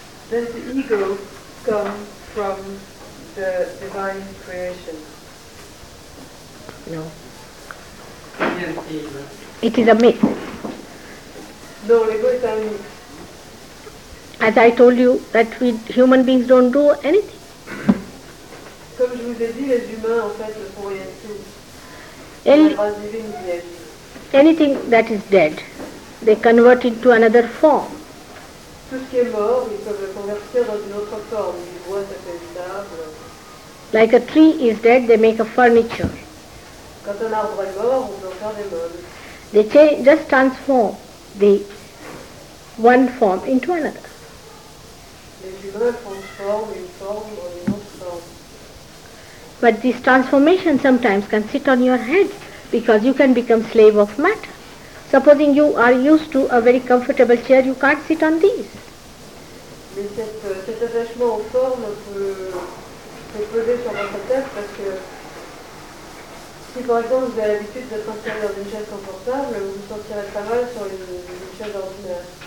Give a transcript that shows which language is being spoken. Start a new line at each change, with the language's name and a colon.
English: Does the ego come from the divine creation? No. It is a myth. No, ego is a myth. As I told you, that we human beings don't do anything.
French: Comme je vous ai dit, les humains en fait ne font rien de tout. La grâce divine vient.
English: Anything that is dead, they convert into another form.
French: Tout ce qui est mort, ils peuvent le convertir dans une autre forme. Ils voient cet état.
English: Like a tree is dead, they make a furniture.
French: Quand un arbre est mort, on peut faire des meubles.
English: They just transform the one form into another.
French: Les humains transforment une forme en une autre forme.
English: But this transformation sometimes can sit on your head. Because you can become slave of matter. Supposing you are used to a very comfortable chair, you can't sit on these.
French: Mais cet attachement aux formes peut peser sur votre tête parce que si par exemple vous avez l'habitude d'être installé dans une chaise confortable, vous vous sentirez pas mal sur une chaise ordinaire.